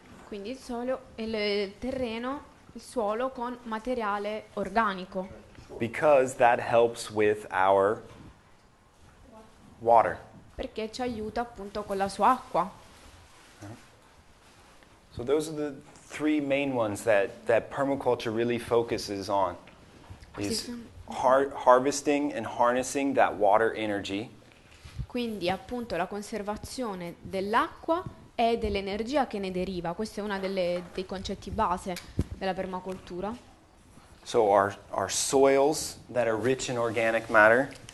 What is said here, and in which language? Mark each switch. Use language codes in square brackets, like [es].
[it] Quindi il suolo è il terreno, il suolo con materiale organico. [en] Because that helps with our water. [it] Perché ci aiuta appunto con la sua acqua. [en] So those are the three main ones that permaculture really focuses on. Is harvesting and harnessing that water energy. [it] Quindi appunto la conservazione dell'acqua e dell'energia che ne deriva. Questo è uno dei concetti base della permacultura. [en] So our soils that are rich in organic matter.